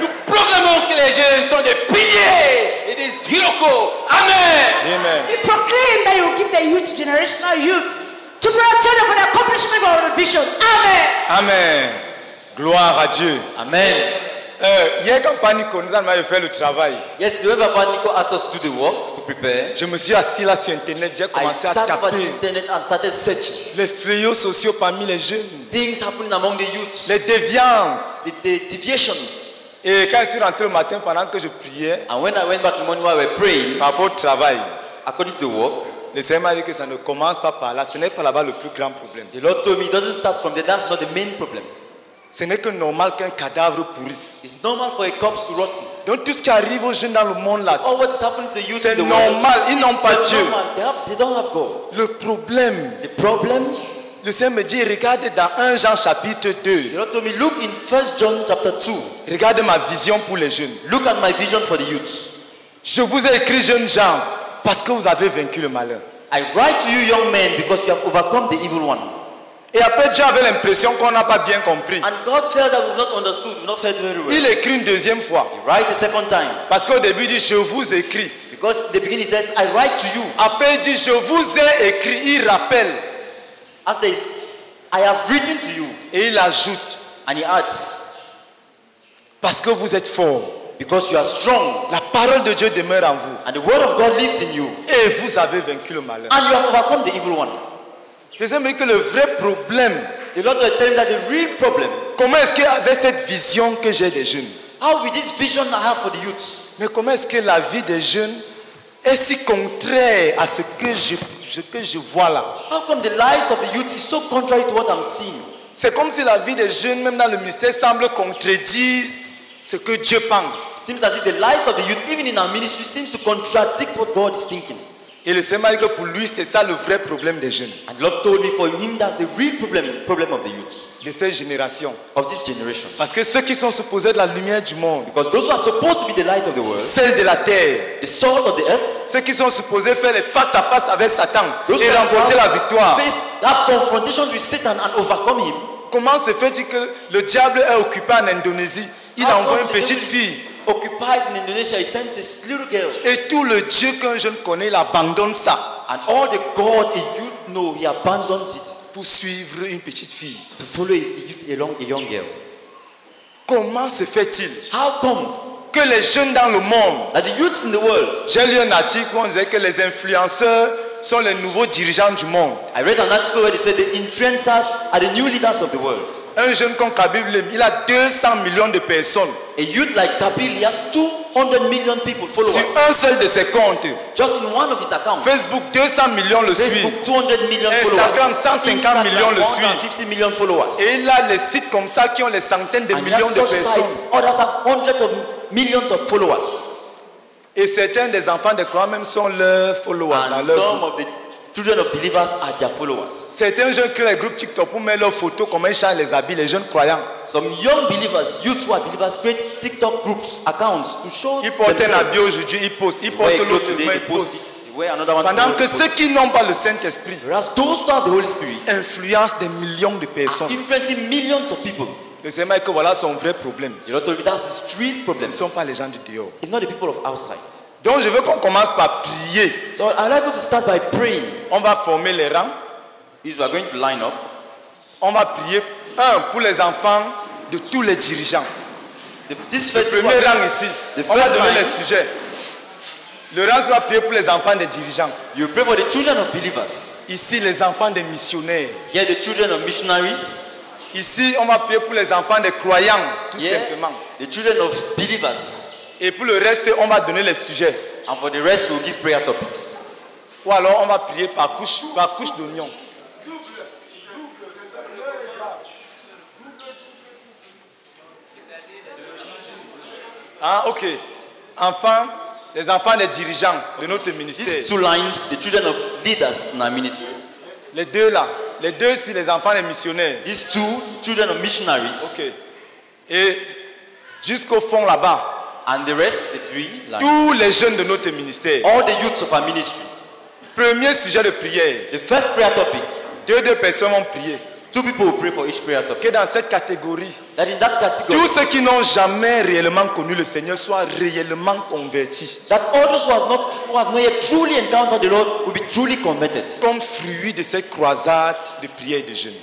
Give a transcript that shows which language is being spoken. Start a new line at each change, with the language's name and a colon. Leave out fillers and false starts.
French: Nous proclamons que les jeunes sont des piliers et des hirocos. Amen. Amen.
English: We proclaim that you will give the youth, generational youth, to be a channel for the accomplishment of our vision. Amen.
French: Amen. Gloire à Dieu. Amen. Hier, quand Panico nous a demandé de faire le travail,
English: yes, whoever Panico asked us to do the work to prepare,
French: je me suis assis là sur Internet, j'ai commencé
English: I
French: à taper.
English: Sat on Internet and started searching.
French: Les fléaux sociaux parmi les jeunes.
English: Things happening among the youth.
French: Les déviances.
English: The deviations.
French: Et quand je suis rentré le matin pendant que je priais,
English: and when I went back in the morning while we were praying,
French: par rapport au travail,
English: according to the work,
French: le Seigneur m'a dit que ça ne commence pas par là. Ce n'est pas là-bas le plus grand problème.
English: The Lord told me it doesn't start from there. That's not the main problem.
French: Ce n'est que normal qu'un cadavre pourrisse.
English: It's normal for a corpse to rot.
French: Donc tout ce qui arrive aux jeunes dans le monde là,
English: so what's happening to youth
French: c'est normal, ils n'ont pas Dieu.
English: They don't have God.
French: Le problème,
English: the problem,
French: le Seigneur me dit, regarde dans 1 Jean chapitre 2.
English: You told me, look in 1 John chapter 2.
French: Regarde ma vision pour les jeunes.
English: Look at my vision for the youth.
French: Je vous ai écrit jeunes gens parce que vous avez vaincu le malin.
English: I write to you young men because you have overcome the evil one.
French: Et après, Dieu avait l'impression qu'on n'a pas bien compris.
English: And God said that we've not understood, we've not heard very well.
French: Il écrit une deuxième fois.
English: He writes a second time.
French: Parce qu'au début, il dit, je vous écris.
English: Because the beginning says, I write to you.
French: Après, il dit, je vous ai écrit, il rappelle.
English: After I have written to you.
French: Et il ajoute.
English: And he adds.
French: Parce que vous êtes fort.
English: Because you are strong.
French: La parole de Dieu demeure en vous.
English: And the word of God lives in you.
French: Et vous avez vaincu le malheur.
English: And you have overcome the evil one.
French: Deuxièmement, que le vrai problème.
English: The Lord was saying that the real problem.
French: Comment est-ce qu'avec cette vision que j'ai des jeunes?
English: How with this vision I have for the youth?
French: Mais comment est-ce que la vie des jeunes est si contraire à ce que je vois là?
English: How come the lives of the youth is so contrary to what I'm seeing?
French: C'est comme si la vie des jeunes, même dans le ministère, semble contredire ce que Dieu pense.
English: Seems as if the lives of the youth, even in our ministry, seems to contradict what God is thinking.
French: Et le Seigneur m'a dit que pour lui, c'est ça le vrai problème des jeunes.
English: And the Lord told me for him that's the real problem of the youth.
French: De cette génération.
English: Of this generation.
French: Parce que ceux qui sont supposés être la lumière du monde.
English: Because those who are supposed to be the light of the world.
French: Celle de la terre.
English: The salt of the earth.
French: Ceux qui sont supposés faire les face à face avec Satan et remporter la victoire.
English: Face that confrontation with Satan and overcome him.
French: Comment se fait-il que le diable est occupé en Indonésie? Il envoie une petite fille.
English: Occupied in Indonesia, he sends this little girl.
French: Et tout le Dieu qu'un jeune connaît l'abandonne ça.
English: And all the God a youth know, he abandons it.
French: Pour suivre une petite fille.
English: To follow a young girl.
French: Comment se fait-il?
English: How come?
French: Que les jeunes dans le monde.
English: That the youths in the world.
French: J'ai lu un article où on disait que les influenceurs sont les nouveaux dirigeants du monde.
English: I read an article where they said the influencers are the new leaders of the world.
French: Un jeune comme Kabib, il a 200 millions de personnes.
English: A youth like Kabib, he has 200 million people followers.
French: Sur un seul de ses comptes.
English: Just in one of his accounts.
French: Facebook, 200 millions le suivent.
English: Facebook, 200 million followers.
French: Instagram, 150 millions le suivent.
English: 150 million followers.
French: Et il a les sites comme ça qui ont les centaines de
English: And
French: millions de personnes.
English: Sites, others have hundreds of millions of followers.
French: Et certains des enfants des croyants même sont leurs followers.
English: And
French: dans leur
English: some of the children of believers are their followers.
French: Certains jeunes créent un groupe TikTok pour mettre leurs photos comme un chant les habits, les jeunes croyants.
English: Some young believers, youth who are believers, create TikTok groups, accounts to show.
French: Ils portent un habit aujourd'hui, ils postent. Ils portent l'autre demain, ils postent. Pendant que ceux qui n'ont pas le Saint-Esprit,
English: those who have the Holy Spirit,
French: influencent des millions de personnes.
English: Influencing millions of people.
French: Le Seigneur dit que voilà son vrai problème.
English: You know, that's his real problem.
French: Ce ne sont pas les gens du dehors.
English: It's not the people of outside.
French: Donc je veux qu'on commence par prier.
English: So I'd like you to start by praying.
French: On va former les rangs.
English: We are going to line up.
French: On va prier un pour les enfants de tous les dirigeants. Le premier rang ici. On va donner les sujets. Le rang va prier pour les enfants des dirigeants.
English: You pray for the children of believers.
French: Ici les enfants des missionnaires.
English: Here the children of missionaries.
French: Ici on va prier pour les enfants des croyants tout simplement.
English: The children of believers.
French: Et pour le reste, on va donner les sujets.
English: And for the rest, we'll give prayer topics.
French: Ou alors, on va prier par couche d'oignon. Ah, ok. Enfin, les enfants des dirigeants de notre ministère.
English: These two lines, the children of leaders in our ministry.
French: Les deux là. Les deux, c'est les enfants des missionnaires.
English: These two, children of missionaries.
French: Ok. Et jusqu'au fond là-bas.
English: And the rest, the three, like,
French: tous les jeunes de notre ministère.
English: All the youths of our ministry.
French: Premier sujet de prière.
English: The first prayer topic.
French: Deux personnes vont prier.
English: Two people will pray for each prayer topic.
French: Que dans cette catégorie,
English: that in that category,
French: tous ceux qui n'ont jamais réellement connu le Seigneur soient réellement convertis.
English: That all those who have not yet truly encountered the Lord will be truly converted.
French: Comme fruit de cette croisade de prière et de jeûne.